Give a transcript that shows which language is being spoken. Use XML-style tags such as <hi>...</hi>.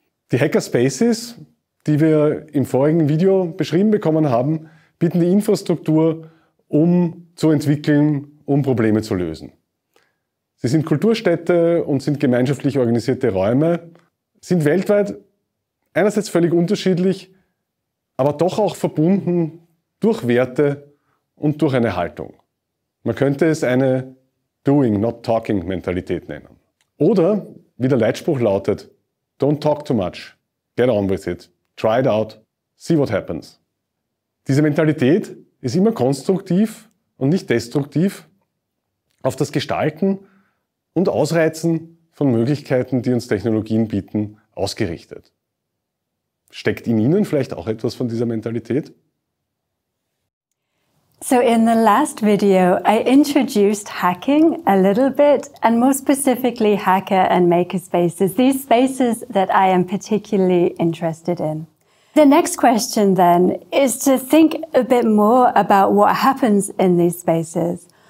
<de>Die Hackerspaces, die wir im vorigen Video beschrieben bekommen haben, bieten die Infrastruktur, um zu entwickeln, um Probleme zu lösen. Sie sind Kulturstädte und sind gemeinschaftlich organisierte Räume, sind weltweit einerseits völlig unterschiedlich, aber doch auch verbunden durch Werte und durch eine Haltung. Man könnte es eine Doing, not talking Mentalität nennen. Oder, wie der Leitspruch lautet,</de> <en>don't talk too much, get on with it, try it out, see what happens.</en> <de>Diese Mentalität ist immer konstruktiv und nicht destruktiv auf das Gestalten und Ausreizen von Möglichkeiten, die uns Technologien bieten, ausgerichtet. Steckt in Ihnen vielleicht auch etwas von dieser Mentalität?</de> <en>So in the last video, I introduced hacking a little bit, and more specifically hacker and maker spaces, these spaces that I am particularly interested in. The next question then is to think a bit more about what happens in these spaces.</en>